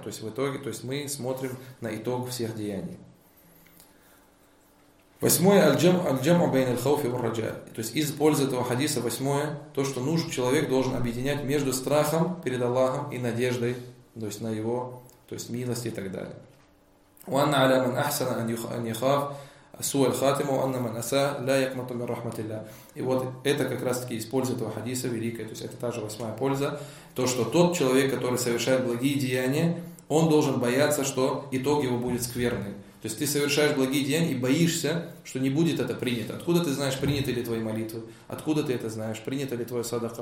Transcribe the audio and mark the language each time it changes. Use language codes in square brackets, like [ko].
[ru] То есть в итоге, то есть мы смотрим на итог всех деяний. Восьмое, [ar] аль-джам'у байна аль-хауфи вар-раджа. [ru] То есть из пользы этого хадиса восьмое, то, что нужен человек должен объединять между страхом перед Аллахом и надеждой, то есть на его, то есть милости и так далее. [ar] وأن على من أحسن أن يخاف سوء الخاتمة وأن من أساء لا يقنط من رحمة الله. [ru] И вот это как раз-таки из пользы этого хадиса великая, то есть это та же восьмая польза, то, что тот человек, который совершает благие деяния, он должен бояться, что итог его будет скверный. То есть ты совершаешь благие деяния и боишься, что не будет это принято. Откуда ты знаешь, приняты ли твои молитвы? Откуда ты это знаешь, принята ли твоя садака?